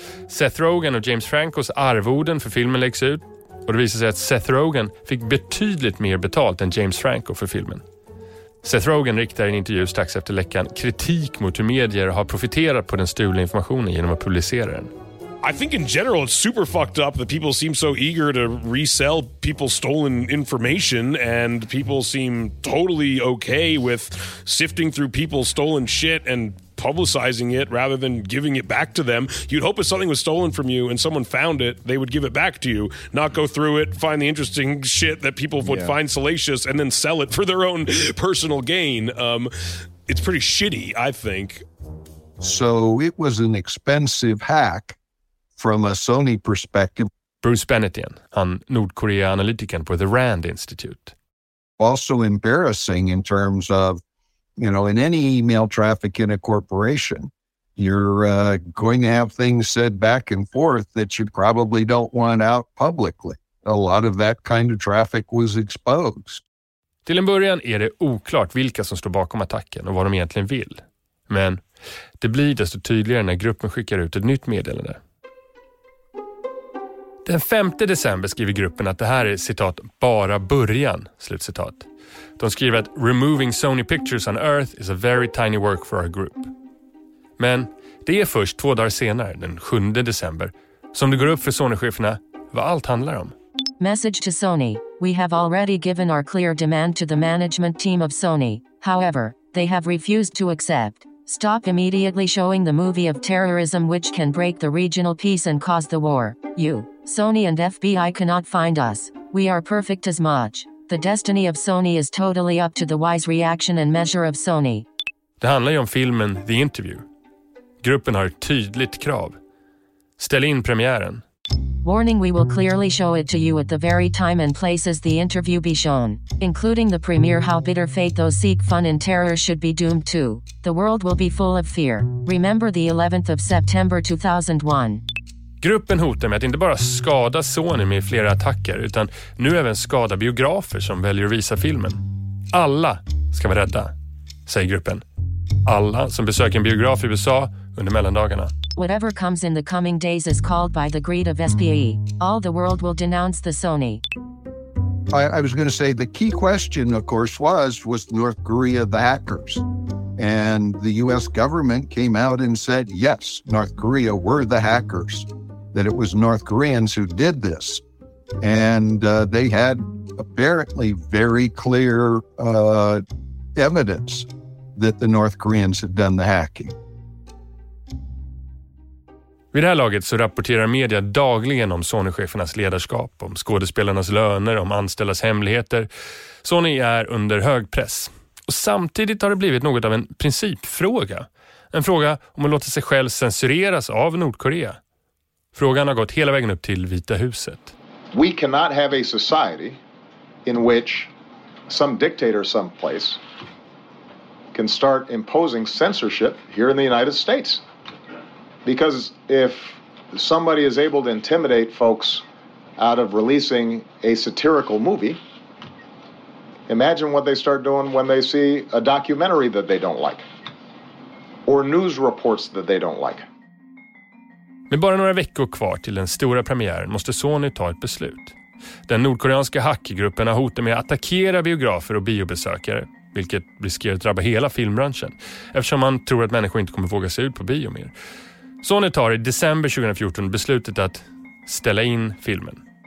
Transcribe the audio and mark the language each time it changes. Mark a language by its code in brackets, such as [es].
[sv] Seth Rogen och James Francos arvoden för filmen läggs ut. Och det visar sig att Seth Rogen fick betydligt mer betalt än James Franco för filmen. Seth Rogen riktar i en intervju strax efter läckan kritik mot hur medier har profiterat på den stulna informationen genom att publicera den. [en] I think in general it's super fucked up that people seem so eager to resell people's stolen information and people seem totally okay with sifting through people's stolen shit and publicizing it rather than giving it back to them. You'd hope if something was stolen from you and someone found it, they would give it back to you, not go through it, find the interesting shit that people would find salacious and then sell it for their own personal gain. It's pretty shitty, I think. So it was an expensive hack. From a Sony perspective, [sv] Bruce Bennett igen, han Nordkorea-analytiken på The Rand Institute. [en] Also embarrassing in terms of, you know, in any email traffic in a corporation, you're going to have things said back and forth that you probably don't want out publicly. A lot of that kind of traffic was exposed. [sv] Till en början är det oklart vilka som står bakom attacken och vad de egentligen vill. Men det blir desto tydligare när gruppen skickar ut ett nytt meddelande. Den 5 december skriver gruppen att det här är, citat, bara början, slutcitat. De skriver att [en] removing Sony Pictures on Earth is a very tiny work for our group. [sv] Men det är först 2 dagar senare, den 7 december, som det går upp för Sony-cheferna vad allt handlar om. [en] Message to Sony. We have already given our clear demand to the management team of Sony. However, they have refused to accept. Stop immediately showing the movie of terrorism which can break the regional peace and cause the war. You, Sony and FBI cannot find us. We are perfect as much. The destiny of Sony is totally up to the wise reaction and measure of Sony. [sv] Det handlar ju om filmen The Interview. Gruppen har ett tydligt krav. Ställ in premiären. [en] Warning, we will clearly show it to you at the very time and places the interview be shown, including the premiere. How bitter fate those seek fun in terror should be doomed to. The world will be full of fear. Remember the 11th of September 2001. [sv] Gruppen hotar med att inte bara skada Sony med flera attacker, utan nu även skada biografer som väljer att visa filmen. Alla ska vara rädda, säger gruppen. Alla som besöker en biograf i USA under mellandagarna. [en] Whatever comes in the coming days is called by the greed of SPE. All the world will denounce the Sony. I was going to say the key question, of course, was North Korea the hackers? And the U.S. government came out and said, yes, North Korea were the hackers, that it was North Koreans who did this. And they had apparently very clear evidence that the North Koreans had done the hacking. [sv] Vid det här laget så rapporterar media dagligen om Sony-chefernas ledarskap, om skådespelarnas löner, om anställdas hemligheter. Sony är under hög press. Och samtidigt har det blivit något av en principfråga. En fråga om att låta sig själv censureras av Nordkorea. Frågan har gått hela vägen upp till Vita huset. [en] We cannot have a society in which some dictator someplace can start imposing censorship here in the United States. Because if somebody is able to intimidate folks out of releasing a satirical movie, imagine what they start doing when they see a documentary that they don't like or news reports that they don't like. [sv] Med bara några veckor kvar till den stora premiären måste Sony ta ett beslut. Den nordkoreanska hackergruppen har hotat med att attackera biografer och biobesökare, vilket riskerar att drabba hela filmbranschen eftersom man tror att människor inte kommer våga se ut på bio mer. Sony tar i december 2014 beslutet att ställa in filmen.